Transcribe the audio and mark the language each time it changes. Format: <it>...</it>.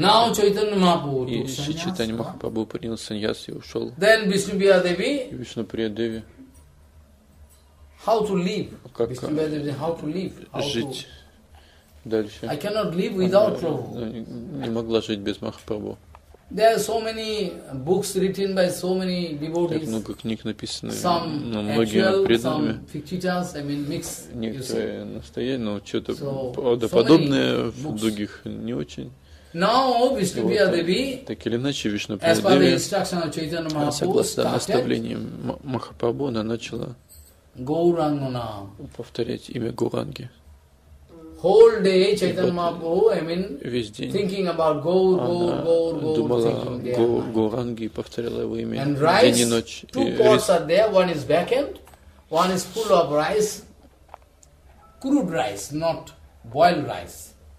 <en>Now Chaitanya Mahaprabhu.</en> <ru>И Шри Чайтанья Махапрабху принял саньяс и ушел.</ru> <en>Then Vishnupriya Devi.</en> <ru>И Вишнуприя Деви.</ru> <en>How to live? Vishnupriya Devi, how to live?</en> <ru>Жить дальше.</ru> <en>I cannot live without Prabhu.</en> <ru>Не могла жить без Махапрабху.</ru> <en>There are so many books written by so many devotees.</en> <ru>Так много книг написано.</ru> <en>Some</en> <ru>многими преданными.</ru> <en>Some fictitious, I mean, mixed.</en> <ru>Некоторые настоящие, но что-то правдоподобное в других не очень.</ru> <en>Now, Vishnupriya Devi.</en> <ru>Так или иначе,</ru> <en>Vishnupriya Devi. As per the instruction of Chaitanya Mahaprabhu.</en> <ru>Согласно наставлениям Махапрабху, она начала. Гауранга нам. Повторять имя Гауранги.</ru> <en>Whole day Chaitanya Mahaprabhu, I mean,</en> <ru>весь день</ru> <en>thinking about Gaur,</en> <ru>думала о Гауранге и повторяла его имя</ru> <en>and rice,</en> <ru>день и ночь.</ru> <en>Two pots are there, one is vacant, one is full of rice, crude rice, not boiled rice.</en>